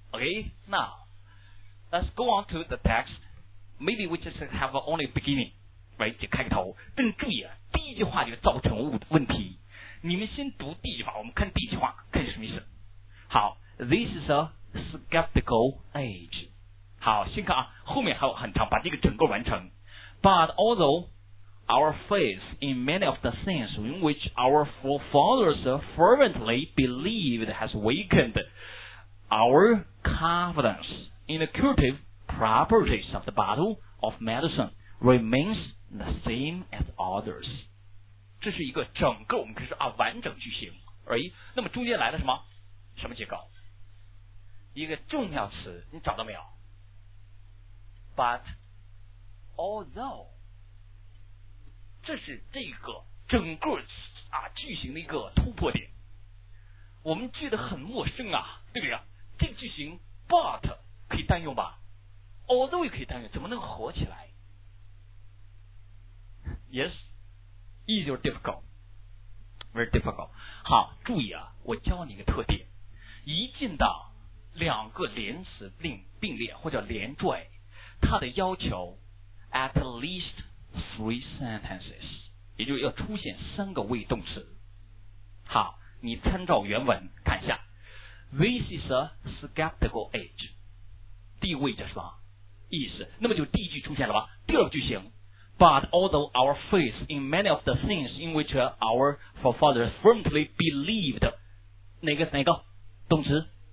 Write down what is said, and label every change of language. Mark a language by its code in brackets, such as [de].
[en] Okay, now, let's go on to the text. Maybe we just have only beginning, right, [zh] 就开个头。但注意啊，第一句话就造成问题。你们先读第一句话，我们看第一句话，看什么意思。 [en] 好， This is a skeptical age。 [zh] 好，先看啊，后面还有很长，把这个整个完成。 [en] But although our faith in many of the things in which our forefathers fervently believed has weakened our confidence in the curative properties of the bottle of medicine remains the same as others。 [zh] 这是一个整个，我们可以说啊，完整句型而已。那么中间来了什么？什么结构？一个重要词，你找到没有？ [en] But although， [zh] 这是这个整个啊句型的一个突破点。我们记得很陌生啊，对不对啊？这个句型 but 可以单用吧？although 也可以单用，怎么能合起来？ [en] Yes。 Easy or difficult? Very difficult. [zh] 好，注意啊，我教你一个特点，一进到两个连词并列或者连缀，它的要求 [en] at least three sentences， [zh] 也就是要出现三个谓动词。好，你参照原文看一下。 [en] This is a skeptical age， [zh] 第一位叫什么？ is， 那么就第一句出现了吧，第二句型。 [en] But although our faith in many of the things in which our forefathers firmly believed， [zh] 哪个动词？